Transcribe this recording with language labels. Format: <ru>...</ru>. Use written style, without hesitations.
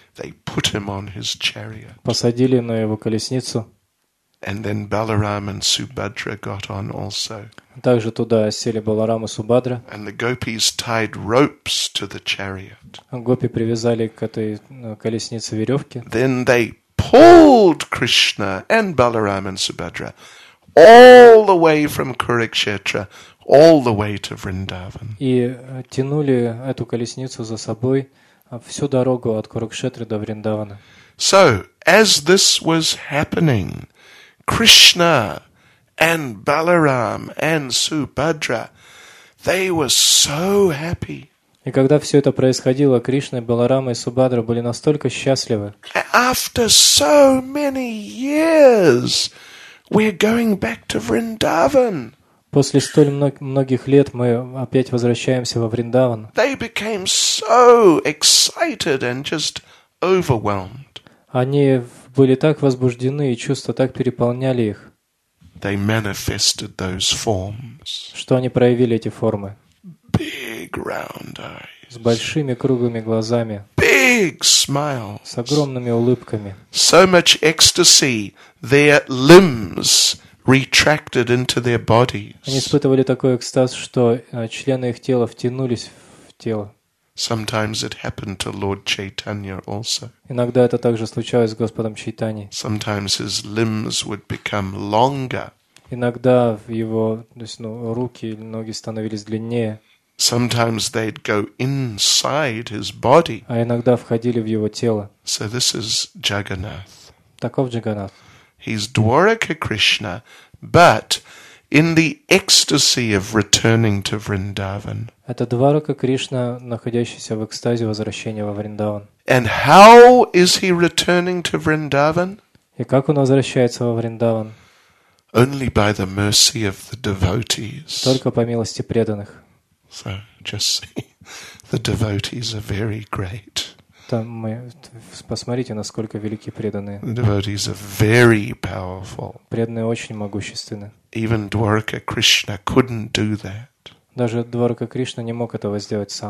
<en>They put him on his chariot.</en> <ru>Посадили на его колесницу.</ru> <en>And then Balaram and Subhadra got on also.</en> <ru>Также туда сели Баларам и Субхадра.</ru> <en>And the gopis tied ropes to the chariot.</en> <ru>Гопи привязали к этой колеснице веревки.</ru> <en>Then they pulled Krishna and Balaram and Subhadra all the way from Kurukshetra, all the way to Vrindavan.</en> <ru>И тянули эту колесницу за собой всю дорогу от Курукшетры до Вриндавана.</ru> <en>So, as this was happening, Krishna and Balaram and Subhadra, they were so happy.</en> <ru>И когда все это происходило, Кришна, Баларама и Субхадра были настолько счастливы.</ru> <en>After so many years, we're going back to Vrindavan.</en> <ru>После столь многих лет мы опять возвращаемся во Вриндаван.</ru> <en>They became so excited and just overwhelmed.</en> <ru>Они были так возбуждены, и чувства так переполняли их,</ru> <en>they manifested those forms.</en> <ru>Что они проявили эти формы.</ru> <en>Big round eyes.</en> <ru>С большими круглыми глазами.</ru> <en>Big smiles.</en> <ru>С огромными улыбками.</ru> <en>So much ecstasy, their limbs retracted into their bodies.</en> <ru>Они испытывали такой экстаз, что члены их тела втянулись в тело.</ru> <en>Sometimes it happened to Lord Chaitanya also.</en> <ru>Иногда это также случалось с Господом Чайтани.</ru> <en>Sometimes his limbs would become longer.</en> <ru>Иногда его, то есть, ну, руки или ноги становились длиннее.</ru> <en>Sometimes they'd go inside his body.</en> <ru>А иногда входили в его тело.</ru> <en>So this is Jagannath.</en> <ru>Таков Джаганнат.</ru> <en>He's Dwarika Krishna, but in the ecstasy of returning to Vrindavan.</en> <ru>Это Дварака Кришна, находящийся в экстазе возвращения во Вриндаван.</ru> <en>And how is he returning to Vrindavan?</en> <ru>И как он возвращается во Вриндаван?</ru> <en>Only by the mercy of the devotees.</en> <ru>Только по милости преданных.</ru> <en>So just see, the devotees are very great.</en> <ru>Там мы посмотрите, насколько велики преданные.</ru> <en>The devotees are very powerful.</en> <ru>Преданные очень могущественны.</ru> <en>Even Dwarika Krishna couldn't do that.</en> <ru>Даже Дварака Кришна не мог этого сделать сам.</ru>